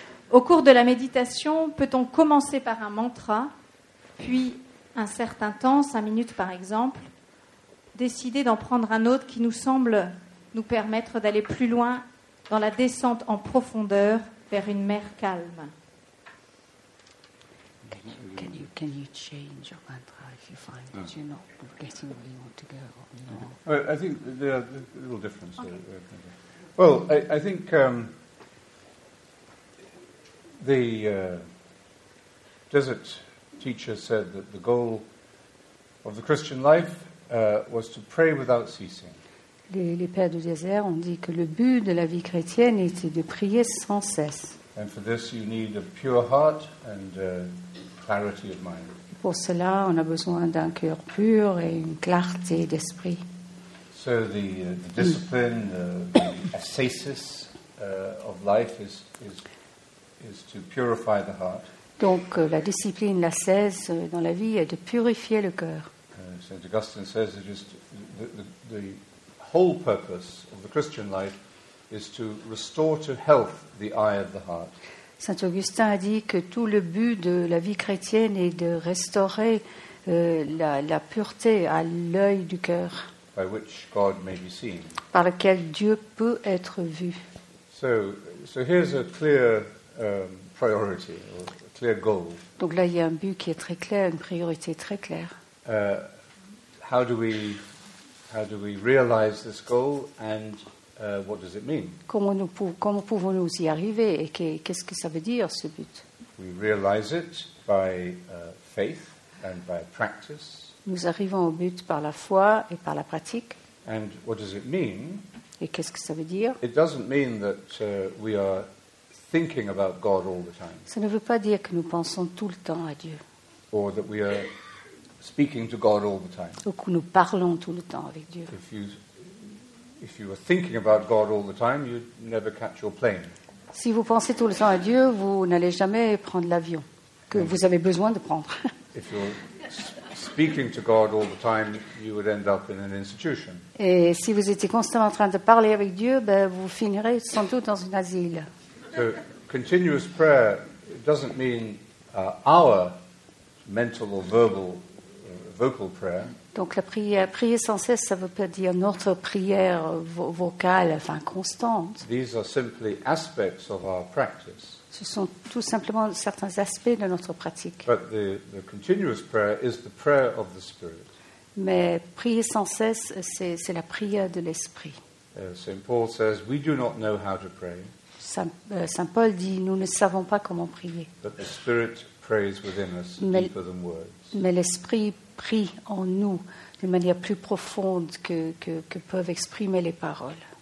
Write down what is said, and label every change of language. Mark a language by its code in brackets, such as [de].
[fr] Au cours de la méditation, peut-on commencer par un mantra, puis un certain temps, 5 minutes par exemple, décider d'en prendre un autre qui nous semble nous permettre d'aller plus loin dans la descente en profondeur vers une mer calme. [en] Can you change your mantra if you find that you're not getting where you want to go? I think there are a little difference. Okay. Well, I think the desert teacher said that the goal of the Christian life was to pray without ceasing. [fr] Les pères du désert ont dit que le but de la vie chrétienne était de prier sans cesse. [en] And for this you need a pure heart and clarity of mind. [fr] Pour cela, on a besoin d'un cœur pur et une clarté d'esprit. [en] So the discipline, the ascesis of life is to purify the heart. [fr] Donc, la discipline, la cesse dans la vie est de purifier le cœur. [en] Saint Augustine says that just the whole purpose of the Christian life is to restore to health the eye of the heart. [fr] Saint Augustin a dit que tout le but de la vie chrétienne est de restaurer la pureté à l'œil du cœur. [en] By which God may be seen. [fr] Par lequel Dieu peut être vu. [en] So here's a clear priority. Clear goal. [fr] Donc là, il y a un but qui est très clair, une priorité très claire. [en] How do we realize this goal and what does it mean? [fr] Comment pouvons-nous y arriver et qu'est-ce que ça veut dire ce but? [en] We realize it by faith and by practice. [fr] Nous arrivons au but par la foi et par la pratique. [en] And what does it mean? [fr] Et qu'est-ce que ça veut dire? [en] It doesn't mean that we are thinking about God all the time. [fr] Ça ne veut pas dire que nous pensons tout le temps à Dieu. [en] Or that we are speaking to God all the time. [fr] Ou que nous parlons tout le temps avec Dieu. [en] If you were thinking about God all the time, you'd never catch your plane. [fr] Si vous pensez tout le temps à Dieu, vous n'allez jamais prendre l'avion que vous avez besoin de prendre. [en] If you're speaking to God all the time, you would end up in an institution. [fr] Et si vous étiez constamment en train de parler avec Dieu, ben vous finirez sans doute dans un asile. [en] So continuous prayer doesn't mean our mental or verbal vocal prayer. [fr] Donc la prier sans cesse, ça ne veut pas dire notre prière vocale, enfin constante. [en] These are simply aspects of our practice. [fr] Ce sont tout simplement certains aspects de notre pratique. [en] But the continuous prayer is the prayer of the Spirit. [fr] Mais prier sans cesse, c'est la prière de l'Esprit. [en] Saint Paul says, we do not know how to pray. [fr] Saint Paul dit, nous ne savons pas comment prier. [en] But the Spirit prays within us deeper than words. [fr] Mais l'Esprit prie en nous d'une manière plus profonde que peuvent exprimer les paroles.